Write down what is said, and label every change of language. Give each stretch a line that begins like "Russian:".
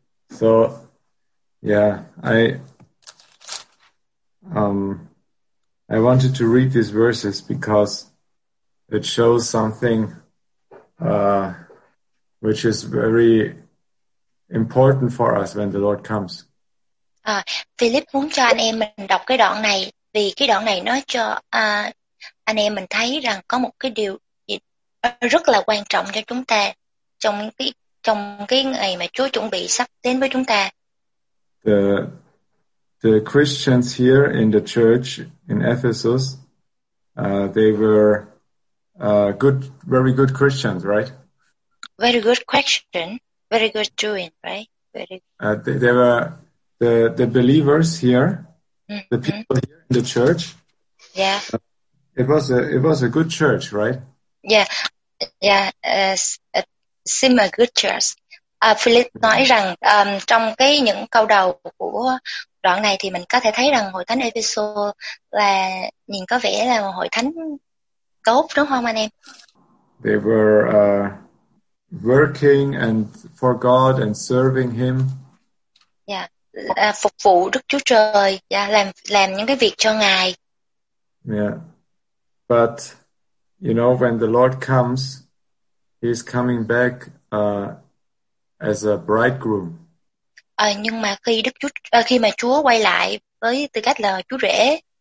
English: So, yeah, I wanted to read these verses because it shows something which is very important for us when the Lord comes.
Vietnamese: Philip muốn cho anh em mình đọc cái đoạn này vì cái đoạn này nó cho anh em mình thấy rằng có một cái điều rất là quan trọng cho chúng ta trong cái ngày mà Chúa chuẩn bị sắp đến với chúng ta.
English: The Christians here in the church in Ephesus, they were very good Christians, right? Very good question. Very good doing, right? Very. There were the believers here, mm-hmm. the people here in the church. Yeah. It was a good church, right? Yeah, similar good church.
Vietnamese: Philip nói rằng trong cái những câu đầu của đoạn này thì mình có thể thấy rằng hội thánh Ephesus là nhìn có vẻ là một hội thánh tốt, đúng không anh em?
English: They were working and for God and serving Him.
Vietnamese: Yeah, phục vụ Đức Chúa Trời, yeah, làm những cái việc cho Ngài.
English: Yeah, but you know when the Lord comes, He's coming back as a bridegroom.
Vietnamese: Nhưng mà khi mà Chúa quay lại với tư cách là chú rể.